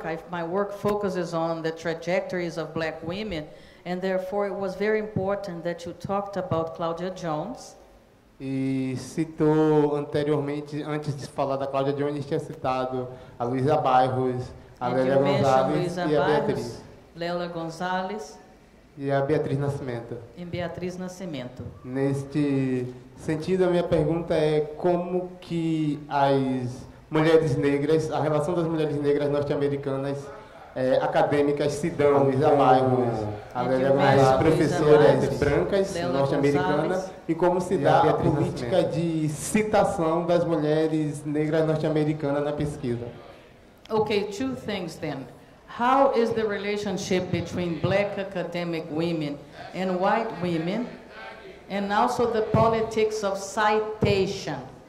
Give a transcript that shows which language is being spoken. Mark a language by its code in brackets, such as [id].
[en] My work focuses on the trajectories of black women, and therefore it was very important that you talked about Claudia Jones. [pt] E citou anteriormente, antes de falar da Claudia Jones, tinha citado a Luísa Bairros, a Lélia Gonzalez e a Beatriz. Lélia Gonzalez. E a Beatriz Nascimento. E Beatriz Nascimento. Neste sentido, a minha pergunta é como que as mulheres negras, a relação das mulheres negras norte-americanas, acadêmicas, se dão, amigos, as professoras brancas norte-americanas, e como se dá a política de citação das mulheres negras norte-americanas na pesquisa. [en] Ok, two things then. How is the relationship between black academic women and white women, and also the politics of citation?